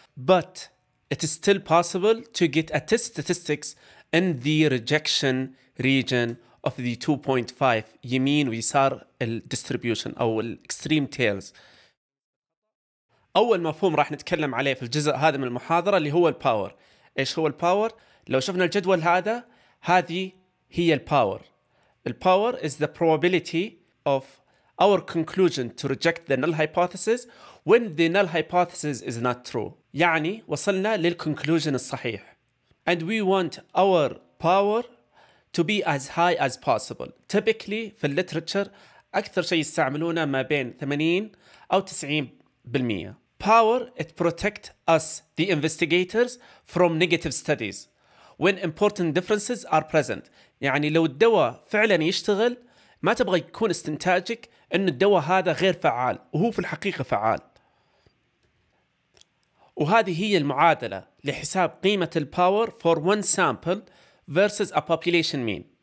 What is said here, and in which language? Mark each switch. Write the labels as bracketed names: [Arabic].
[English] But it is still possible to get a test statistics in the rejection region of the 2.5 [Arabic] يمين ويسار الديستريبيوشن أو الإكستريم تيلز. أول مفهوم راح نتكلم عليه في الجزء هذا من المحاضرة اللي هو الباور. إيش هو الباور؟ لو شفنا الجدول هذا, هذه هي الباور. [English] الباور is the probability of our conclusion to reject the null hypothesis when the null hypothesis is not true. [Arabic] يعني وصلنا للconclusion الصحيح. [English] And we want our power to be as high as possible. [Arabic] Typically في الليترتشر أكثر شيء يستعملونه ما بين 80 أو 90%. [English] Power, it protect us, the investigators, from negative studies when important differences are present. [Arabic] يعني لو الدواء فعلا يشتغل ما تبغى يكون استنتاجك أن الدواء هذا غير فعال وهو في الحقيقة فعال. وهذه هي المعادلة لحساب قيمة الباور [English] for one sample versus a population mean.